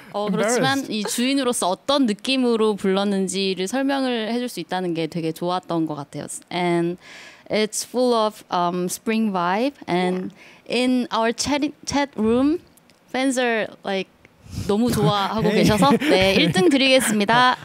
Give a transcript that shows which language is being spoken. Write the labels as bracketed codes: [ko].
[ko] 그렇지만 이 주인으로서 어떤 느낌으로 불렀는지를 설명을 해줄 수 있다는 게 되게 좋았던 것 같아요. [en] And it's full of spring vibe. And yeah. in our chat room, fans are like [ko] 너무 좋아하고 [en] hey. [ko] 계셔서 네 1등 드리겠습니다.